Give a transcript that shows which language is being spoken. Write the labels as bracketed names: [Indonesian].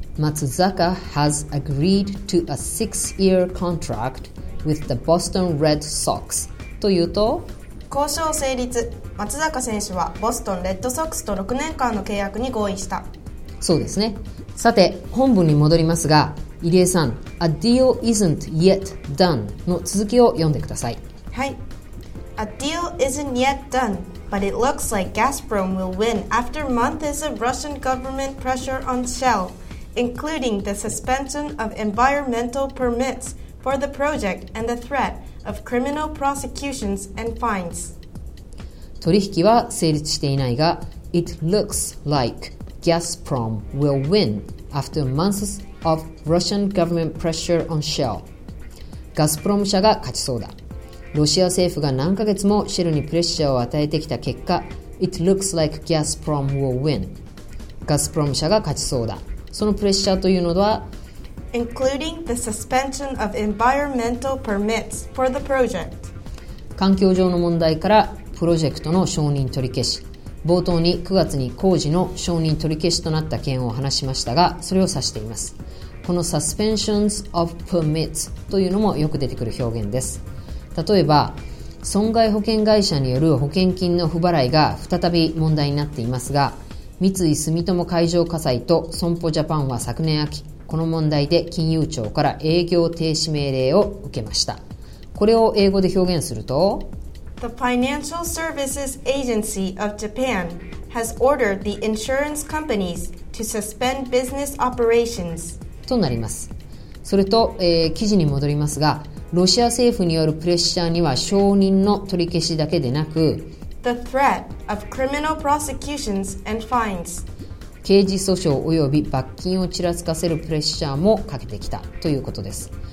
[English] 松坂 has agreed to a six-year contract with the Boston Red Sox. [Japanese] というと、交渉成立。松坂選手はボストンレッドソックスと6年間の契約に合意した。そうですね。さて、本文に戻りますが、入江さん、 [English] A deal isn't yet done [Japanese] の続きを読んでください。 [English] はい、 A deal isn't yet done but it looks like Gazprom will win after months of Russian government pressure on Shell including the suspension of environmental permits for the project and the threat of criminal prosecutions and fines。 [Japanese] 取引は成立していないが、 [English] It looks like Gazprom will win after months of Russian government pressure on Shell。 [Japanese] ガスプロム社が勝ちそうだ。ロシア政府が何ヶ月もシェルにプレッシャーを与えてきた結果、 [English] It looks like Gazprom will win。 [Japanese] ガスプロム社が勝ちそうだ。そのプレッシャーというのは、 [English] including the suspension of environmental permits for the project。 [Japanese] 環境上の問題からプロジェクトの承認取り消し。冒頭に9月に工事の承認取り消しとなった件を話しましたが、それを指しています。この [English] suspensions of permits [Japanese] というのもよく出てくる表現です。例えば、損害保険会社による保険金の不払いが再び問題になっていますが、三井住友海上火災と損保ジャパンは昨年秋、この問題で金融庁から営業停止命令を受けました。これを英語で表現すると、 [English] The Financial Services Agency of Japan has ordered the insurance companies to suspend business operations [Japanese] となります。それと、記事に戻りますが、ロシア政府によるプレッシャーには承認の取り消しだけでなく、 [English] The threat of criminal prosecutions and fines、 [Japanese] 刑事訴訟および罰金をちらつかせるプレッシャーもかけてきたということです。